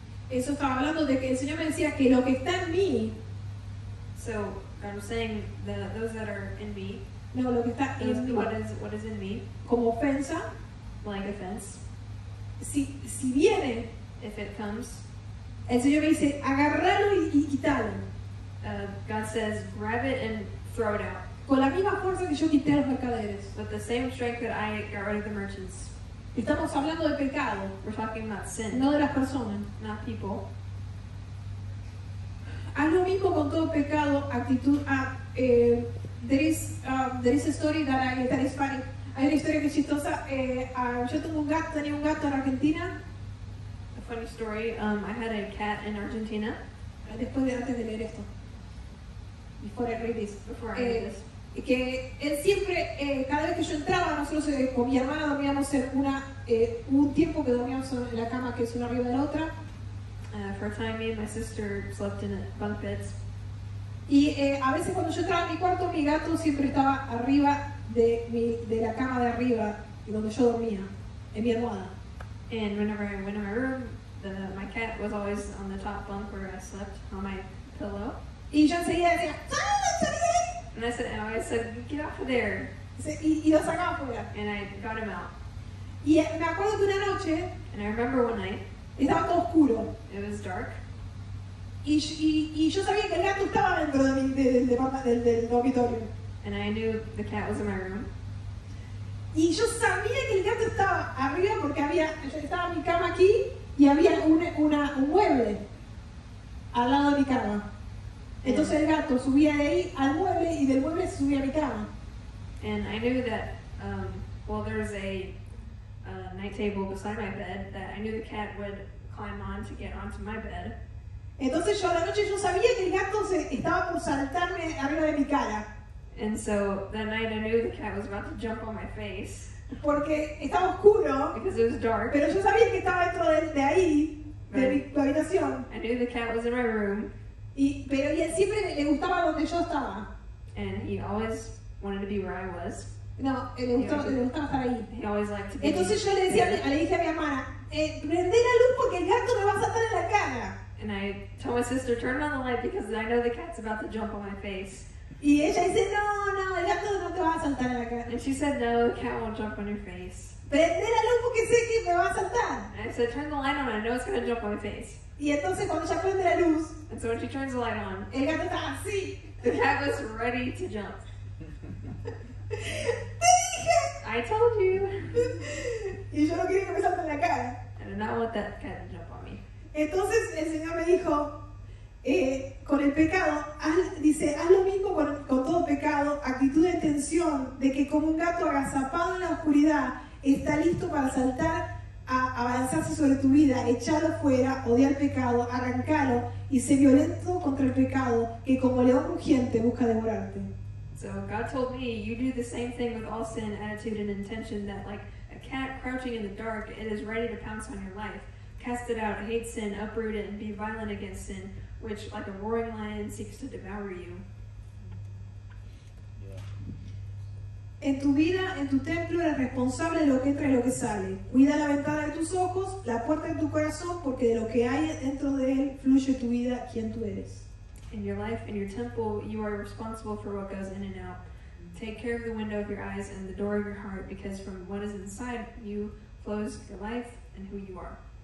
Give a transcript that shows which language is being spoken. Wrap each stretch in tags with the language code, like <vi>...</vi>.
<es>Eso estaba hablando de que el Señor me decía que lo que está en mí.</es> <en>So I'm saying that those that are in me.</en> <es>No, lo que está en mí.</es> <en>What is in me?</en> <es>Como ofensa.</es> <en>Like offense.</en> <es>Si viene.</es> <en>If it comes.</en> <es>El Señor me dice, agárralo y quítalo.</es> <en>God says, grab it and throw it out.</en> <es>Con la misma fuerza que yo quité a los mercaderes.</es> <en>With the same strength that I got rid of the merchants.</en> <es>Estamos hablando del pecado.</es> <en>We're talking about sin.</en> <es>No de las personas.</es> <en>Not people.</en> <es>Haz lo mismo con todo pecado, actitud.</es> <en>There is a story that is funny.</en> <es>Hay una historia que es chistosa. Yo tenía un gato en Argentina.</es> <en>A funny story. I had a cat in Argentina.</en> <es>Antes de leer esto.</es> <en>Before I read this.</en> <es>Que él siempre, cada vez que yo entraba, nosotros con mi hermana dormíamos en una, un tiempo que dormíamos en la cama que es una arriba de la otra.</es> <en>For a time, me and my sister slept in bunk beds.</en> <es>Y a veces cuando yo entraba a mi cuarto, mi gato siempre estaba arriba de la cama de arriba, donde yo dormía, en mi almohada.</es> <en>And whenever I went to my room, my cat was always on the top bunk where I slept, on my pillow.</en> <es>Y yo enseguida decía, ¡ah!</es> <en>And I said, get off of there.</en> <es>Y lo sacaba fuera.</es> <en>And I got him out.</en> <es>Y me acuerdo que una noche.</es> <en>And I remember one night.</en> <es>Estaba todo oscuro.</es> <en>It was dark.</en> <es>Y yo sabía que el gato estaba dentro del dormitorio.</es> <en>And I knew the cat was in my room.</en> <es>Y yo sabía que el gato estaba arriba porque estaba mi cama aquí y había un mueble al lado de mi cama. Entonces el gato subía de ahí al mueble y del mueble subía a mi cama.</es> <en>And I knew that, there's a night table beside my bed, that I knew the cat would climb on to get onto my bed.</en> <es>Entonces yo a la noche yo sabía que el gato estaba por saltarme arriba de mi cara.</es> <en>And so that night I knew the cat was about to jump on my face.</en> <es>Porque estaba oscuro.</es> <en>Because it was dark.</en> <es>Pero yo sabía que estaba dentro de ahí, de mi habitación.</es> <en>I knew the cat was in my room.</en> <es>Y él siempre le gustaba donde yo estaba.</es> <en>And he always wanted to be where I was.</en> <es>No, le gustaba estar ahí.</es> <en>He always liked to be.</en> <es>Entonces yo le dije a mi hermana, prende la luz porque el gato me va a saltar en la cara.</es> <en>And I told my sister, turn on the light because I know the cat's about to jump on my face.</en> <es>Y ella dice, no, el gato no te va a saltar en la cara.</es> <en>And she said, no, the cat won't jump on your face.</en> <es>Prendela luz porque sé que me va a saltar.</es> <en>And so turn the light on, I know it's gonna jump on my face.</en> <es>Y entonces cuando ella prende la luz,</es> <en>and so when she turns the light on,</en> <es>el gato está así.</es> <en>The cat was ready to jump.</en> <es>Te dije.</es> <en>I told you.</en> <es>Y yo no quería que me salte en la cara.</es> <en>And I did not want that cat to jump on me.</en> <es>Entonces el Señor me dijo, con el pecado, haz lo mismo con todo pecado, actitud de tensión, de que como un gato agazapado en la oscuridad, está listo para saltar, a avanzarse sobre tu vida, echarlo fuera, odiar pecado, arrancarlo y ser violento contra el pecado que como león rugiente busca devorarte.</es> <en>So God told me, you do the same thing with all sin, attitude and intention, that like a cat crouching in the dark, it is ready to pounce on your life. Cast it out, hate sin, uproot it and be violent against sin, which like a roaring lion seeks to devour you.</en> <es>En tu vida, en tu templo, eres responsable de lo que entra y lo que sale. Cuida la ventana de tus ojos, la puerta de tu corazón, porque de lo que hay dentro de él fluye tu vida, quien tú eres.</es> <en>In your life, in your temple, you are responsible for what goes in and out. Take care of the window of your eyes and the door of your heart, because from what is inside you flows your life and who you are.</en>